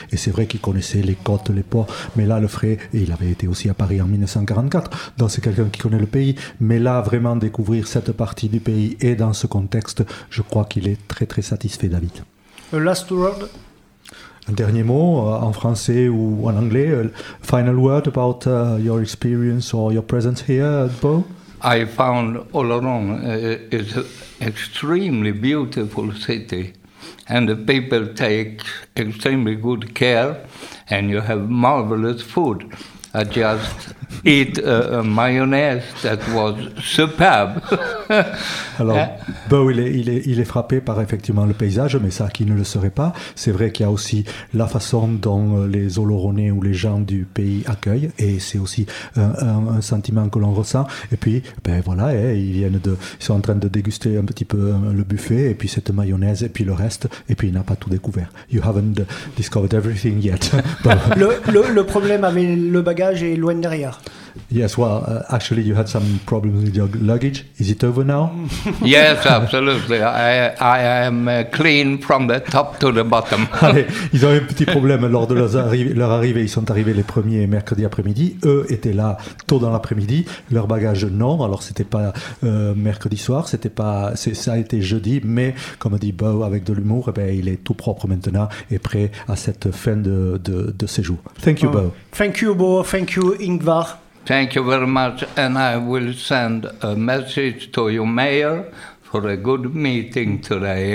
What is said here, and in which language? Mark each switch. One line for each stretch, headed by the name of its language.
French: Et c'est vrai qu'il connaissait les côtes, les ports. Mais là, le frais, et il avait été aussi à Paris en 1944. Donc c'est quelqu'un qui connaît le pays. Mais là, vraiment découvrir cette partie du pays et dans ce contexte, je crois qu'il est très très satisfait, David.
English: A last word.
French: Un dernier mot en français ou en anglais.
English: Final word about your experience or your presence here at Beau. I found Oloron is an extremely beautiful city, and the people take extremely good care, and you have marvelous food. I just eat a mayonnaise that was superb.
French: Alors, Beau, il est frappé par effectivement le paysage, mais ça, qui ne le serait pas. C'est vrai qu'il y a aussi la façon dont les Oloronais ou les gens du pays accueillent, et c'est aussi un sentiment que l'on ressent. Et puis, ben voilà, ils sont en train de déguster un petit peu le buffet, et puis cette mayonnaise, et puis le reste, et puis il n'a pas tout découvert.
English: You haven't discovered everything yet.
French: Le problème avec le bagage est loin derrière.
English: Yes, well, actually, you had some problems with your luggage. Is it over now? Yes, absolutely. I am clean from the top to the bottom.
French: Allez, ils ont eu un petit problème lors de leur arrivée. Ils sont arrivés les premiers mercredi après-midi. Eux étaient là tôt dans l'après-midi. Leur bagage, non. Alors, c'était pas mercredi soir. Ça a été jeudi. Mais, comme dit Beau avec de l'humour, eh bien, il est tout propre maintenant et prêt à cette fin de séjour.
English: Thank you, Beau. Thank you, Beau. Thank you, Ingvar. Thank you very much, and I will send a message to your mayor for a good meeting today.